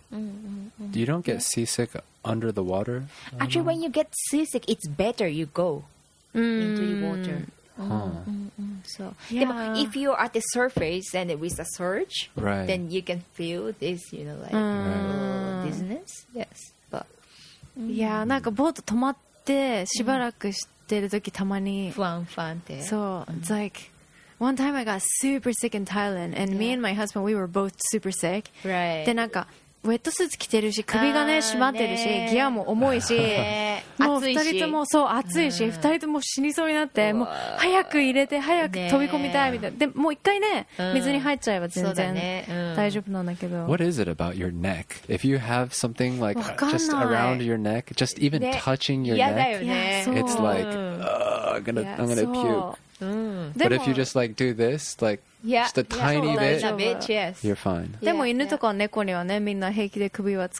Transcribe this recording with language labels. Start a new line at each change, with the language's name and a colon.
English: You don't get seasick under the water? Actually, when you get seasick, it's better you go into the water. So, yeah. If you're at the surface and with a surge, right, then you can feel this, you know, like dizziness. Yes. But,
Japanese: yeah, なんかボート止まってしばらくしてるときたまに不安不安って。
English: So, it's like, one time I got super sick in Thailand and me and my husband, we were both super sick. Right.
Japanese: で、なんか、ウェットスーツ着てるし首がね締まってるしギアも重いし、もう二人ともそう暑いし二人とも死にそうになって、もう早く入れて早く飛び込みたいみたいな。でもう一回ね水に入っちゃえば全然大丈夫なんだけど。
English: What is it about your neck? If you have something like just around your neck, just even touching your neck, it's like I'm gonna puke. But if you just like do this, like. Yeah, just a tiny bit. Yes. You're fine. But dogs and cats, they all have their heads on their heads.